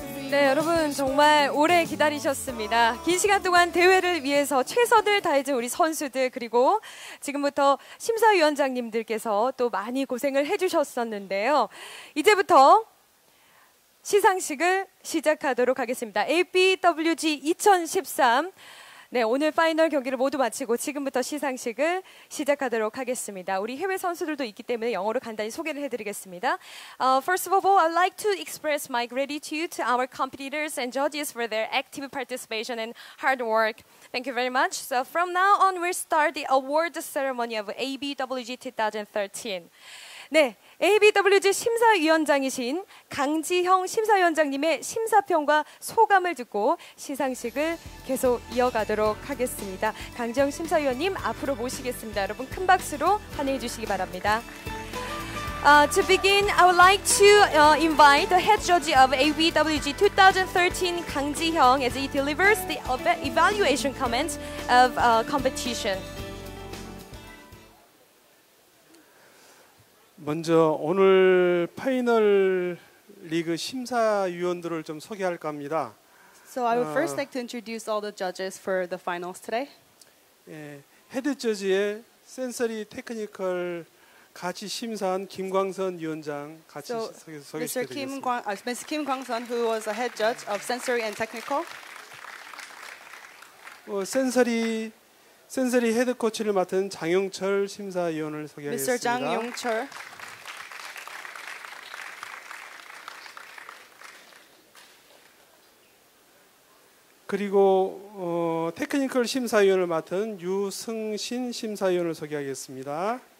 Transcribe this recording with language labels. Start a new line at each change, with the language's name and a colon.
Korean: 네, 여러분 정말 오래 기다리셨습니다. 긴 시간 동안 대회를 위해서 최선을 다해준 우리 선수들 그리고 지금부터 심사위원장님들께서 또 많이 고생을 해주셨었는데요. 이제부터 시상식을 시작하도록 하겠습니다. ABWG 2013 네, 오늘 파이널 경기를 모두 마치고 지금부터 시상식을 시작하도록 하겠습니다. 우리 해외 선수들도 있기 때문에 영어로 간단히 소개를 해드리겠습니다.
English: First of all, I'd like to express my gratitude to our competitors and judges for their active participation and hard work. Thank you very much. So from now on, we'll start the award ceremony of ABWG 2013.
Korean: 네, ABWG 심사위원장이신 강지형 심사위원장님의 심사평과 소감을 듣고 시상식을 계속 이어가도록 하겠습니다. 강지형 심사위원님 앞으로 모시겠습니다. 여러분 큰 박수로 환영해 주시기 바랍니다.
English: To begin, I would like to invite the head judge of ABWG 2013, 강지형, as he delivers the evaluation comments of competition.
Korean: 먼저 오늘 파이널 리그 심사위원들을 좀 소개할까 합니다.
English: So I would first like to introduce all the judges for the finals today.
Korean: 예, 헤드 저지의 센서리 테크니컬 같이 심사한 김광선 위원장 같이 소개시켜드리겠습니다.
English: Mr. Kim Kwang-sun, who was a head judge of sensory and technical.
Korean: 센서리 헤드 코치를 맡은 장용철 심사위원을 소개하겠습니다.
English: Mr. 장용철.
Korean: 그리고 테크니컬 심사위원을 맡은 유승신 심사위원을 소개하겠습니다.